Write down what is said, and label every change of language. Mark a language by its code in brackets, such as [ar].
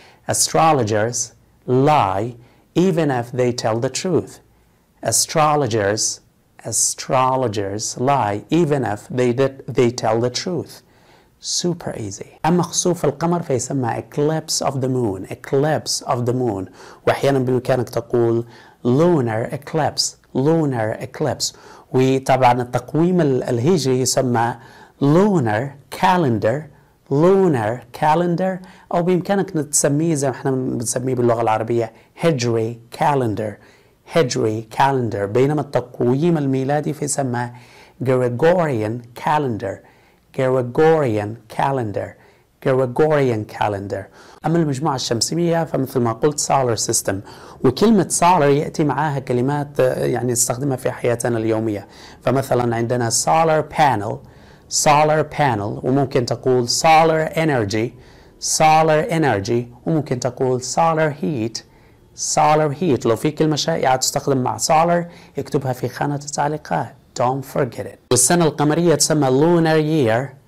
[en] Astrologers lie even if they tell the truth. Astrologers, astrologers lie even if they tell the truth. Super easy. [ar] أما خسوف القمر فيسمى eclipse of the moon. [en] Eclipse of the moon. [ar] وأحيانا بإمكانك تقول lunar eclipse. [en] Lunar eclipse. [ar] وطبعا التقويم الهجري يسمى lunar calendar. [en] Lunar calendar. [ar] أو بإمكانك تسميه زي ما احنا بنسميه باللغة العربية hijri calendar. [en] Hijri calendar. [ar] بينما التقويم الميلادي فيسمى Gregorian calendar. [en] Gregorian calendar. Gregorian calendar. [ar] أما المجموعة الشمسية فمثل ما قلت solar system. وكلمة solar يأتي معاها كلمات يعني نستخدمها في حياتنا اليومية. فمثلا عندنا solar panel. [en] Solar panel. [ar] وممكن تقول [en] solar energy. Solar energy. [ar] وممكن تقول [en] solar heat. solar heat. [ar] لو في كلمة شائعة تستخدم مع solar اكتبها في خانة التعليقات. [en] Don't forget it. [ar] والسنة القمرية تسمى lunar year.